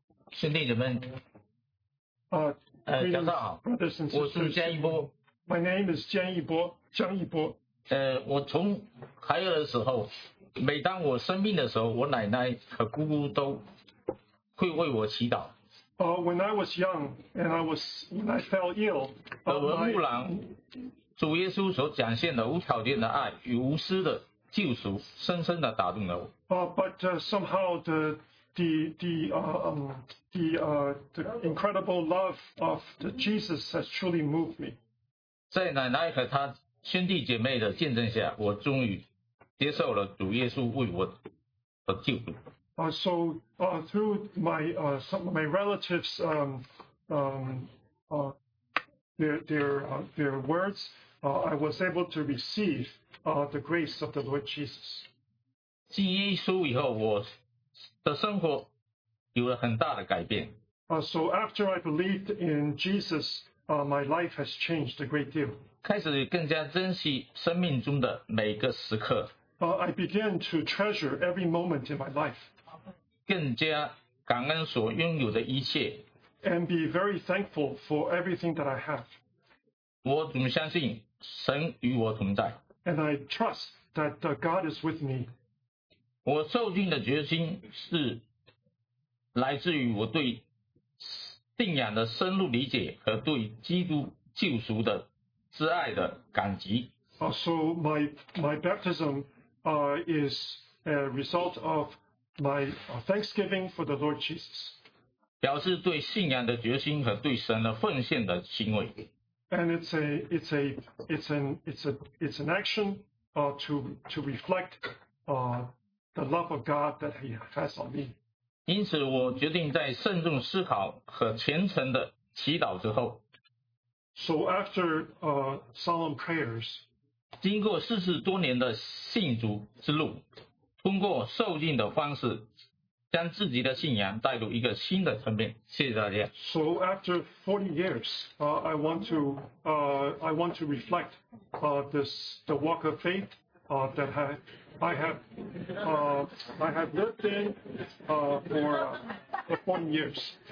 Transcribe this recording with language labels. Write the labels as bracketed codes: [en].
[zh] 兄弟姐妹。早上好。 [en] Brothers and sisters, [zh] 我是江一波。 [en] My name is 江一波。江一波， [zh] 我从孩儿的时候，每当我生病的时候，我奶奶和姑姑都会为我祈祷。 [en] When I was young and when I fell ill, [zh] 耳闻目染，主耶稣所展现的无条件的爱与无私的救赎，深深的打动了我。 [en] Somehow the incredible love of the Jesus has truly moved me. [zh] 在奶奶和她兄弟姐妹的见证下，我终于接受了主耶稣为我的救赎。 [en] Through my relatives their words, I was able to receive the grace of the Lord Jesus. [zh] 信耶稣以后，我的生活有了很大的改变。 [en] So after I believed in Jesus, my life has changed a great deal. [zh] 开始更加珍惜生命中的每个时刻。 [en] I began to treasure every moment in my life. [zh] 更加感恩所拥有的一切。 [en] And be very thankful for everything that I have. [zh] 我总相信神与我同在。 [en] And I trust that God is with me. [zh] 我受尽的决心是来自于我对信仰的深入理解和对基督救赎的挚爱的感激。 [en] So my baptism is a result of my thanksgiving for the Lord Jesus. [zh] 表示对信仰的决心和对神的奉献的行为。 [en] And it's an action to reflect the love of God that He has on me. [zh] 因此我决定在慎重思考和虔诚的祈祷之后。 [en] So after solemn prayers, [zh] 经过四十多年的信主之路，通过受浸的方式将自己的信仰带入一个新的层面。谢谢大家。 [en] So after 40 years, I want to reflect this the walk of faith that I have lived in for 40 years.